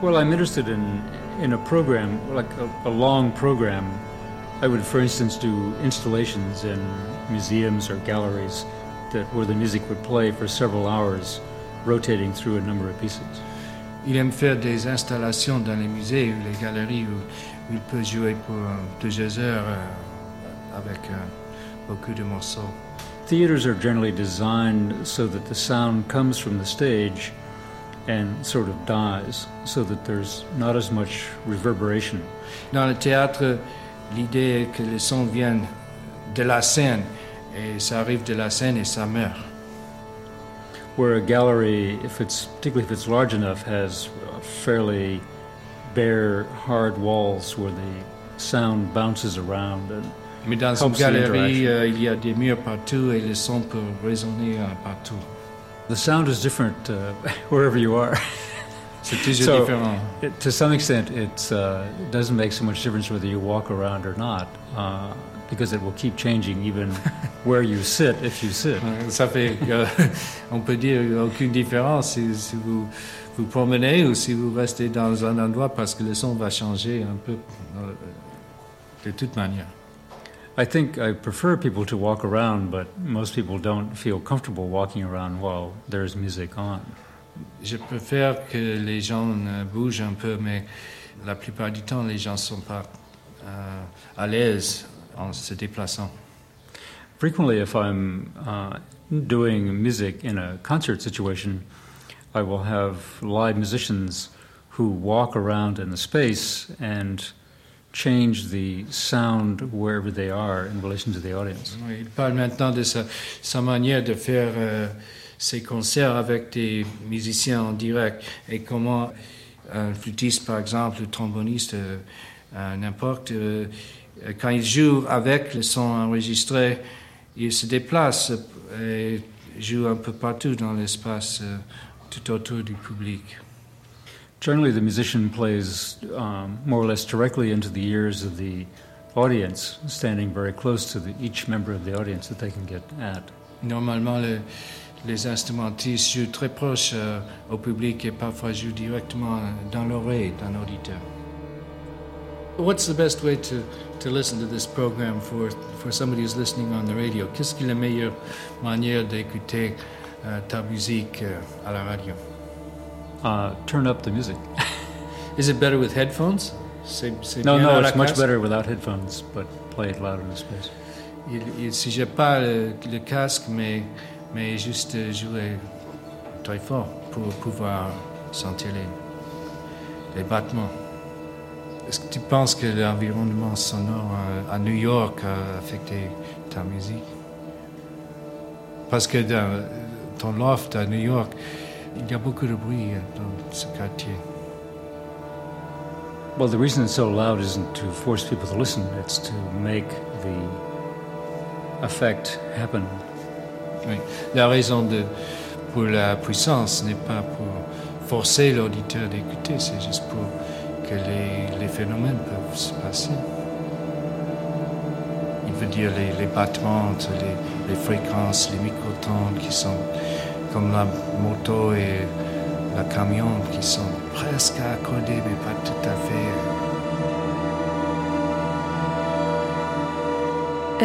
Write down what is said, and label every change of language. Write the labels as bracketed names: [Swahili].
[English] Well, I'm interested in a program, like a long program. I would, for instance, do installations in museums or galleries that where the music would play for several hours, rotating through a number of pieces. [French] Il aime faire des installations dans les musées ou les galeries où il peut jouer pour plusieurs heures avec beaucoup de morceaux. [English] Theaters are generally designed so that the sound comes from the stage and sort of dies, so that there's not as much reverberation. [French] Dans le théâtre, l'idée est que le son vienne de la scène, et ça arrive de la scène et ça meurt. [English] Where a gallery, particularly if it's large enough, has fairly bare, hard walls where the sound bounces around and [French] mais dans [English] helps [French] une galerie, il y a des murs partout et le son peut résonner partout. [English] The sound is different wherever you are. [French] C'est toujours [English] so, [French] différent. [English] To some extent, it doesn't make so much difference whether you walk around or not. Because it will keep changing even where you sit, if you sit. [French] Ça fait, on peut dire, aucune différence si vous vous promenez ou si vous restez dans un endroit parce que le son va changer un peu de toute manière. [English] I think I prefer people to walk around, but most people don't feel comfortable walking around while there's music on. [French] Je préfère que les gens bougent un peu, mais la plupart du temps, les gens ne sont pas à l'aise. En se déplaçant. [English] Frequently, if I'm doing music in a concert situation, I will have live musicians who walk around in the space and change the sound wherever they are in relation to the audience. [French] Oui, il parle maintenant de sa manière de faire ses concerts avec des musiciens en direct et comment un flûtiste, par exemple, un tromboniste, n'importe. Quand il joue avec le son enregistré, il se déplace et joue un peu partout dans l'espace tout autour du public. [English] Generally, the musician plays more or less directly into the ears of the audience, standing very close to each member of the audience that they can get at. [French] Normalement, les instrumentistes jouent très proche au public et parfois jouent directement dans l'oreille d'un auditeur. [English] What's the best way to listen to this program for somebody who's listening on the radio? [French] Qu'est-ce qui est la meilleure manière d'écouter ta musique à la radio? [English] Turn up the music. Is it better with headphones? No, it's much better without headphones, but play it loud in the space. [French] Si je n'ai pas le casque, mais juste jouer très fort pour pouvoir sentir les battements. Est-ce que tu penses que l'environnement sonore à New York a affecté ta musique? Parce que dans ton loft à New York, il y a beaucoup de bruit dans ce quartier. [English] Well, the reason it's so loud isn't to force people to listen, it's to make the effect happen. [French] Oui. La raison pour la puissance n'est pas pour forcer l'auditeur d'écouter, c'est juste pour que les phénomènes peuvent se passer. Il veut dire les battements, les fréquences, les microtones qui sont comme la moto et la camion qui sont presque accordés mais pas tout à fait.